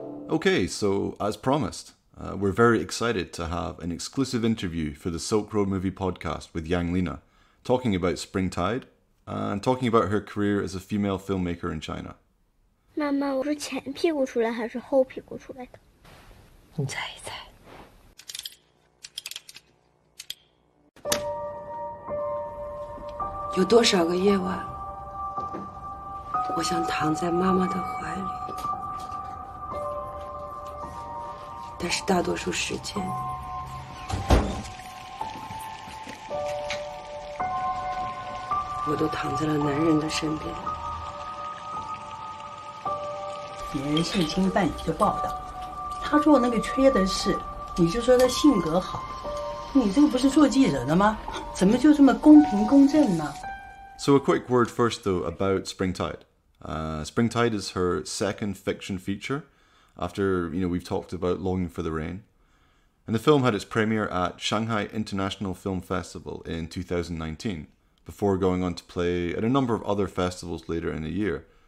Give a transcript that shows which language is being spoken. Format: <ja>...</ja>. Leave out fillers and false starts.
<en>Okay, so as promised, we're very excited to have an exclusive interview for the Silk Road Movie Podcast with Yang Lina, talking about Spring Tide, and talking about her career as a female filmmaker in China. Mama, is it the front leg out or the back leg out? You guess. The front leg out. The front leg out. How many</en> <zh>我想躺在妈妈的怀里，但是大多数时间我都躺在了男人的身边。别人性侵犯你就报道，他做那个缺的事，你就说他性格好。你这个不是做记者的吗？怎么就这么公平公正呢？</zh> <en>So a quick word first though about Spring Tide. Spring Tide is her second fiction feature after, you know, we've talked about Longing for the Rain. And the film had its premiere at Shanghai International Film Festival in 2019, before going on to play at a number of other festivals later in the year.</en>